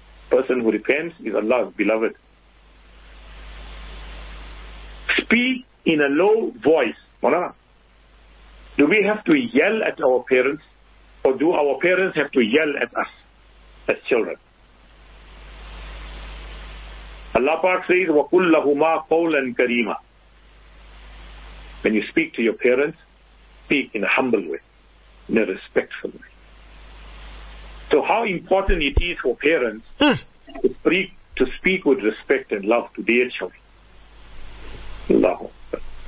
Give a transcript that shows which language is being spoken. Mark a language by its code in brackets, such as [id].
[en] Person who repents is Allah's beloved. Speak in a low voice. Mawlana, do we have to yell at our parents or do our parents have to yell at us as children? Allah Pak says, [ar] وَقُلْ لَهُمَا قَوْلًا كَرِيمًا. [en] When you speak to your parents, speak in a humble way, in a respectful way. So how important it is for parents to speak with respect and love to their children. Allahu Akbar.